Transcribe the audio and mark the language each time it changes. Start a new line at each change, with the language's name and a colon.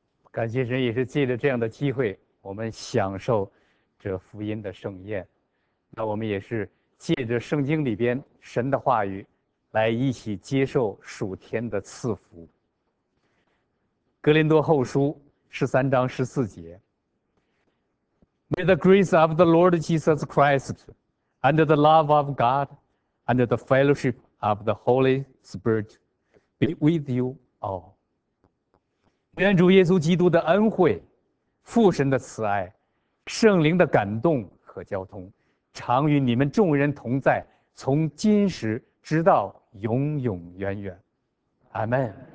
Chinese: 感谢神，也是借着这样的机会，我们享受这福音的盛宴。那我们也是借着圣经里边神的话语，来一起接受属天的赐福。哥林多后书13:14，
English: May the grace of the Lord Jesus Christ, and the love of God, and the fellowship of the Holy Spirit be with you all.
Chinese: 愿主耶稣基督的恩惠、父神的慈爱、圣灵的感动和交通，常与你们众人同在，从今时直到永永远远。阿们。